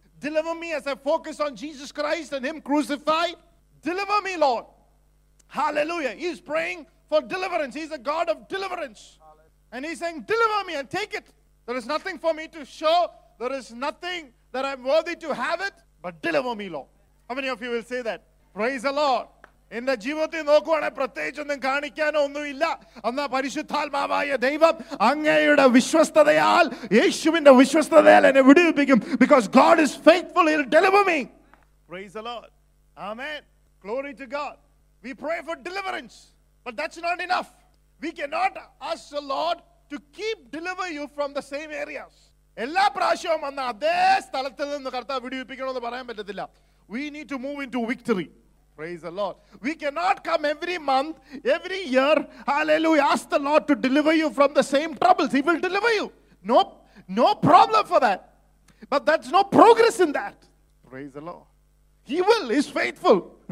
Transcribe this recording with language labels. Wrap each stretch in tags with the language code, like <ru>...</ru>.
<en>Deliver me as I focus on Jesus Christ and Him crucified. Deliver me, Lord. Hallelujah. He's praying for deliverance. He's a God of deliverance. And He's saying, deliver me and take it. There is nothing for me to show. There is nothing that I'm worthy to have it. But deliver me, Lord. How many of you will say that? Praise the Lord. In the</en> <ml>ജീവിതത്തിൽ നോക്കുവാണെ പ്രത്യേകിച്ച് ഒന്നും കാണിക്കാനോ ഒന്നുമില്ല. എന്നാ പരിശുദ്ധാത്മാവായ ദൈവം അങ്ങയുടെ വിശ്വസ്തതയാൽ, യേശുവിന്റെ വിശ്വസ്തതയാൽ എന്നെ വിടുവിപ്പിക്കും.</ml> <en>Because God is faithful, He'll deliver me. Praise the Lord. Amen. Glory to God. We pray for deliverance, but that's not enough. We cannot ask the Lord to keep deliver you from the same areas.</en> <ml>എല്ലാ പ്രാവശ്യവും അന്ന് അതേ സ്ഥലത്ത് നിന്ന് കർത്താവ് വിടുവിപ്പിക്കണം എന്ന് പറയാൻ പറ്റത്തില്ല.</ml> <en>We need to move into victory. Praise the Lord. We cannot come every month, every year, hallelujah, ask the Lord to deliver you from the same troubles. He will deliver you. Nope. No problem for that. But that's no progress in that. Praise the Lord. He will. He's faithful.</en>